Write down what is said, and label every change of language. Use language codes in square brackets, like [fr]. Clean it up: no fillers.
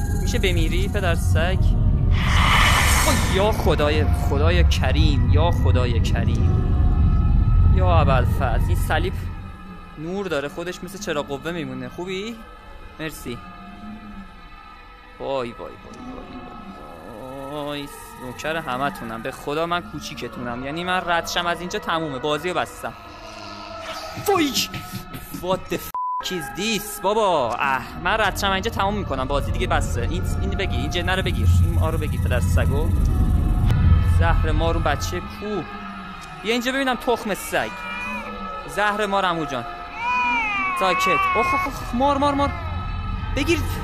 [fa] میشه بمیری پدر سگ؟ یا خدای خدای کریم، یا خدای کریم، یا ابوالفضل. این صلیب نور داره، خودش مثل چراغ قوه میمونه. خوبی؟ مرسی. وای وای وای وای، نوکر همه تونم، به خدا من کوچیکتونم، یعنی من ردشم از اینجا تمومه، بازی رو بستم. [en] وای What the f**k is this بابا. [fa] من ردشم اینجا تموم میکنم، بازی دیگه بسته. این بگیر، این جنه رو بگیر، این ما رو بگیر پدر سگو. زهر مار اون بچه کو، یه اینجا ببینم تخم سگ. زهر مار امو جان ساکت. اخ اخ اخ، مار مار مار بگیر.